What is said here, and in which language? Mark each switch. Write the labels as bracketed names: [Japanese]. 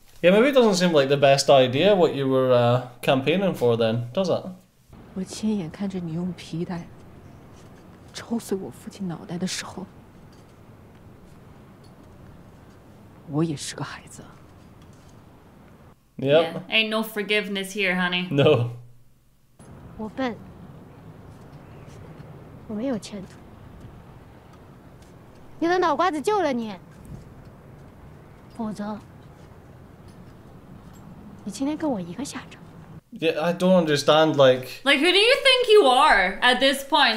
[English] Yeah, maybe it doesn't seem like the best idea what you were campaigning for then, does it? [Chinese] 我亲眼看着你用皮带抽碎我父亲脑袋的时候，我也是个孩子。 [English] Yep. Yeah, ain't no forgiveness here, honey. No. [Chinese] 我笨，我没有前途。你的脑瓜子救了你，否则，你今天跟我一个下场。 [English] Yeah, I don't understand, like... Like, who do you think you are at this point?